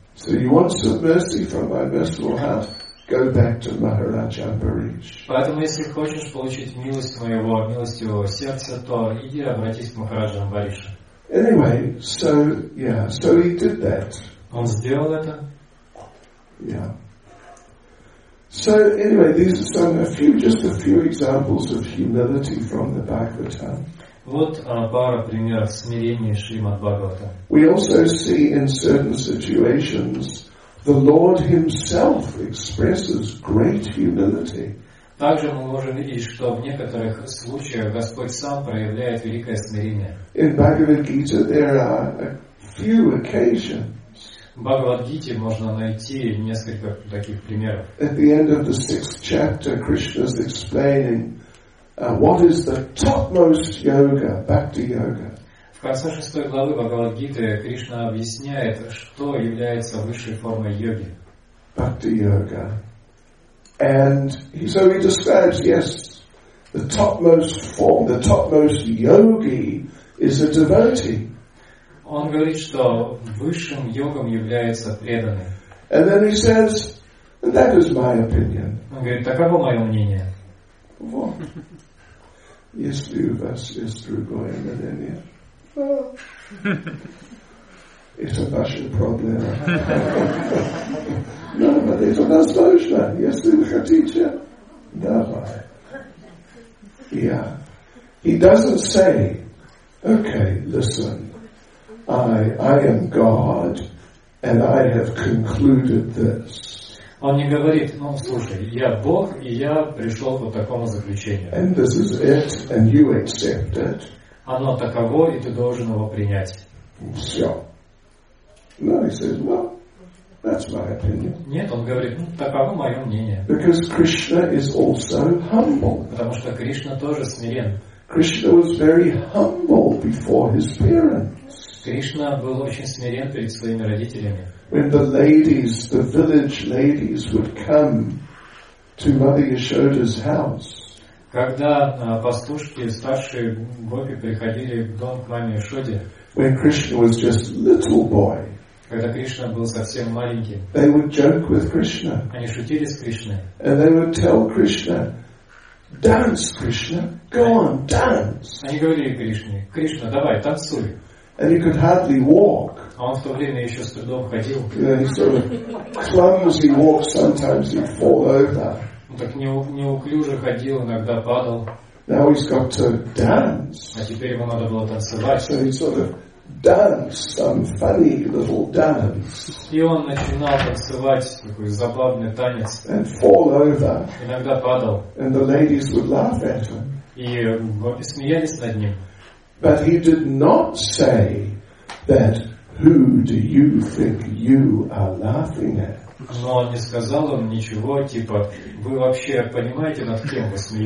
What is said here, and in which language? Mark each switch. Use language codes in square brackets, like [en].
[en] So you want some mercy from my merciful heart? Go back to Maharaj Ambarish. [ru] Поэтому, если хочешь получить милость моего милостивого сердца, то иди обратись к Махараджу Амбаришу. [en] Anyway, so he did that. [ru] Он сделал это? [en] Yeah. So anyway, these are just a few examples of humility from the Bhagavatam. [ru] Вот пара примеров смирения Шримад Бхагаватам. [en] We also see in certain situations the Lord Himself expresses great humility. [ru] Также мы можем видеть, что в некоторых случаях Господь сам проявляет великое смирение. [en] In Bhagavad Gita there are a few occasions. [ru] В Бхагавад-гите можно найти несколько таких примеров. [en] At the end of the sixth chapter, Krishna is explaining What is the topmost yoga, bhakti yoga? [ru] В конце шестой главы Бхагавад-гиты Кришна объясняет, что является высшей формой йоги. [en] Bhakti yoga. And so he describes, yes, the topmost form, the topmost yogi is a devotee. [ru] Он говорит, что высшим йогом является преданный. [en] And then he says, and that is my opinion. [ru] Он говорит, таково мое мнение. Вот. Если у вас есть другое мнение, это ваша проблема. Но это возможно. Если вы хотите, давай. Yeah. [en] He doesn't say, okay, listen, I am God, and I have concluded this. [ru] Он не говорит, ну слушай, я Бог, и я пришел к вот такому заключению. [en] And this is it, and you accept it. [ru] Оно таково, и ты должен его принять. [en] Все. No, he says, well, that's my opinion. [ru] Нет, он говорит, ну таково мое мнение. [en] Because Krishna is also humble. [ru] Потому что Кришна тоже смирен. [en] Krishna was very humble before his parents. [ru] Кришна был очень смирен перед своими родителями. [en] When the ladies, the village ladies, would come to Mother Yashoda's house. [ru] Когда пастушки, старшие гопи приходили в дом к маме Яшоде. [en] When Krishna was just little boy. [ru] Когда Кришна был совсем маленьким. [en] They would joke with Krishna. [ru] Они шутили с Кришной. [en] And they would tell Krishna, dance, Krishna, go on, dance. [ru] Они говорили Кришне, Кришна, давай, танцуй. [en] And he could hardly walk. [ru] А он в то время еще с трудом ходил. [en] Yeah, sort of clumsy walk, sometimes he'd fall over. [ru] Он так неуклюже ходил, иногда падал. [en] Now he's got to dance. [ru] А теперь ему надо было танцевать. [en] So he sort of danced some funny little dance. [ru] И он начинал танцевать такой забавный танец. [en] And fall over. [ru] Иногда падал. [en] And the ladies would laugh at him. [ru] И гопи смеялись над ним. [en] But he did not say that who do you think you are laughing at? [ru] Но он не сказал им ничего, типа, вы вообще понимаете, над кем вы